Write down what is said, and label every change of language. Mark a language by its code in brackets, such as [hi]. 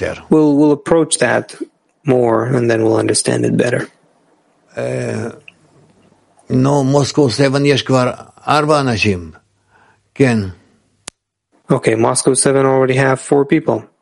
[en] We'll approach that more, and then we'll understand it better. No, Moscow 7, [he] יש כבר 4 אנשים. כן. [en] Okay, Moscow 7 already have 4 people.